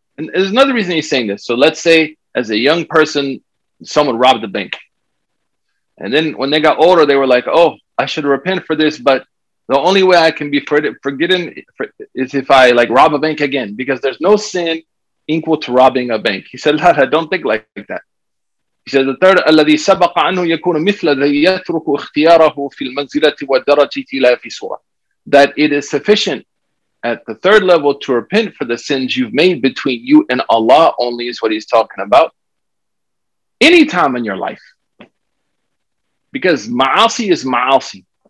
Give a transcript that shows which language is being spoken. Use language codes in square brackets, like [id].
[en] And there's another reason he's saying this. So let's say as a young person, someone robbed the bank. And then when they got older, they were like, oh, I should repent for this, but the only way I can be forgiven is if I like rob a bank again, because there's no sin equal to robbing a bank. He said, "Lala, don't think like that." He said, "The third, [ar] الذي سبق عنه يكون مثل الذي يترك اختياره في المنزلة والدرجة لا في سورة." [en] That it is sufficient at the third level to repent for the sins you've made between you and Allah only is what he's talking about. Any time in your life. Because ma'asi is ma'asi.